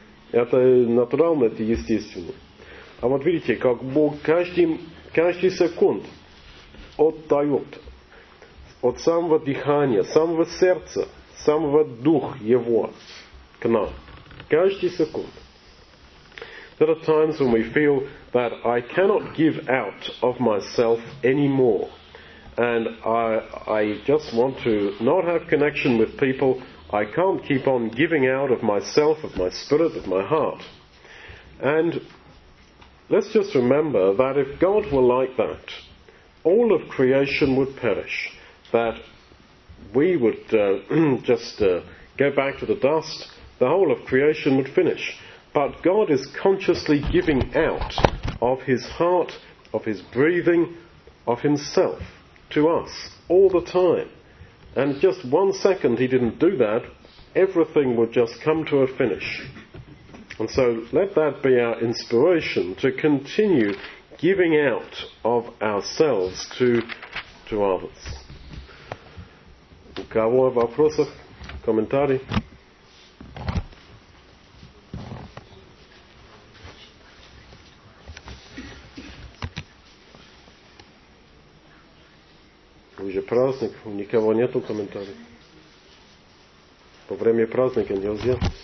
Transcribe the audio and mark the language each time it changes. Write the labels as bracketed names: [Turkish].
[Russian] Это натурально, это естественно. А вот видите, как Бог каждый секунд отдает от самого дыхания, самого сердца, самого духа Его к нам. Каждый секунд. [English] There are times when we feel that I cannot give out of myself anymore. And I just want to not have connection with people. I can't keep on giving out of myself, of my spirit, of my heart. And let's just remember that if God were like that, all of creation would perish, that we would go back to the dust, the whole of creation would finish. But God is consciously giving out of His heart, of His breathing, of Himself to us all the time. And just one second he didn't do that, everything would just come to a finish. And so let that be our inspiration to continue giving out of ourselves to others. [Russian] У кого вопросов, комментарий? Уже праздник, никого нету комментариев. Во время праздника нельзя.